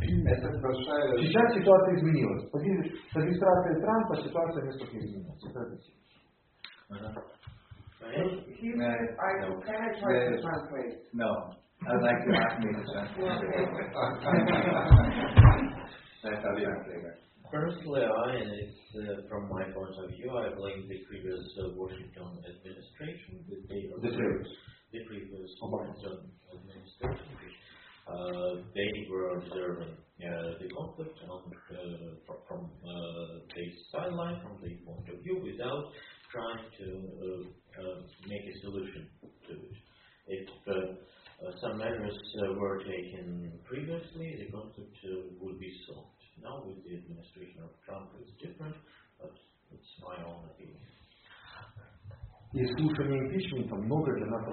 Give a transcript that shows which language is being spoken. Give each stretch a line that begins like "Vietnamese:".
Russian: Сейчас ситуация изменилась. С администрацией Трампа ситуация несколько изменилась. Это
English: Personally, from my point of view, I blame the previous Washington administration, the previous Washington administration. They were observing the conflict from the sideline, from the point of view, without trying to make a solution to it. If some measures were taken previously, the conflict would be solved. Now with the administration of Trump is different, but it's my own opinion.
Russian: И слушание импичмента много для нас